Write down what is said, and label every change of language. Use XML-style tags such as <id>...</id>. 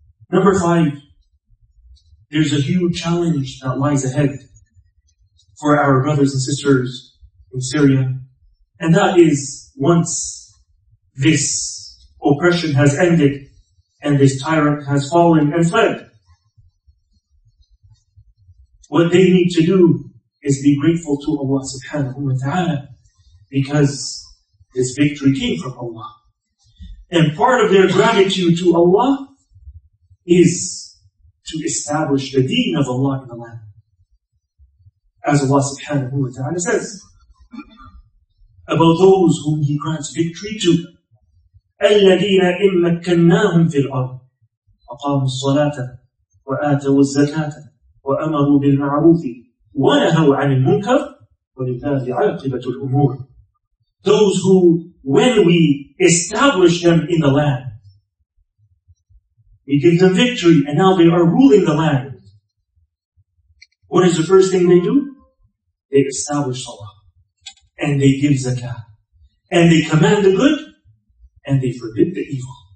<en>Number five, there's a huge challenge that lies ahead for our brothers and sisters in Syria, and that is once this oppression has ended and this tyrant has fallen and fled, what they need to do is be grateful to Allah subhanahu wa ta'ala, because this victory came from Allah. And part of their gratitude to Allah is to establish the deen of Allah in the land. As Allah subhanahu wa ta'ala says about those whom He grants victory to,</en> <ar>الَّذِينَ إِن مَكَّنَّاهُمْ فِي الْأَرْضِ أَقَامُوا الصَّلَاةَ وَآتَوُوا الزَّكَاةَ وَأَمَرُوا بِالْمَعْرُوفِ وَنَهَوْا عَنِ الْمُنْكَرِ وَلِلَّهِ عَاقِبَةُ الْأُمُورِ.</ar> <en>Those who, when we establish them in the land, we give them victory and now they are ruling the land. What is the first thing they do? They establish salah. And they give zakah. And they command the good and they forbid the evil.</en>